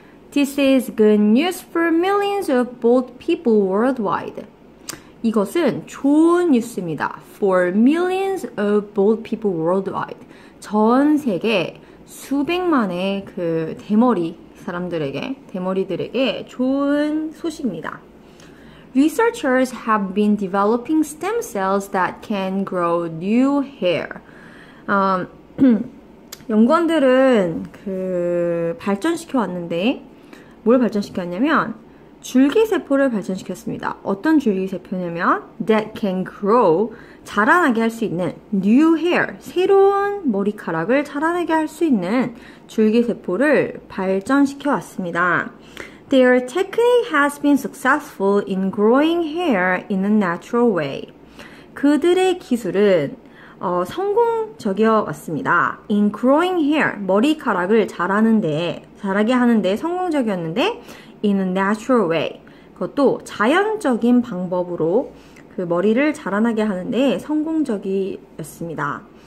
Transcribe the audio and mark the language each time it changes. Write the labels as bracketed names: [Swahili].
[English] This is good news for millions of bald people worldwide. [Korean] 이것은 좋은 뉴스입니다. [English] For millions of bald people worldwide. [Korean] 전 세계 수백만의 그 대머리 사람들에게, 대머리들에게 좋은 소식입니다. [English] Researchers have been developing stem cells that can grow new hair. [Korean] 연구원들은 그 발전시켜 왔는데 뭘 발전시켰냐면 줄기세포를 발전시켰습니다. 어떤 줄기세포냐면 [English] that can grow, [Korean] 자라나게 할 수 있는 [English] new hair, [Korean] 새로운 머리카락을 자라나게 할 수 있는 줄기세포를 발전시켜 왔습니다. [English] Their technique has been successful in growing hair in a natural way. [Korean] 그들의 기술은 성공적이었습니다. [English] In growing hair, [Korean] 머리카락을 자라게 하는데 성공적이었는데 [English] in a natural way, [Korean] 그것도 자연적인 방법으로 그 머리를 자라나게 하는데 성공적이었습니다.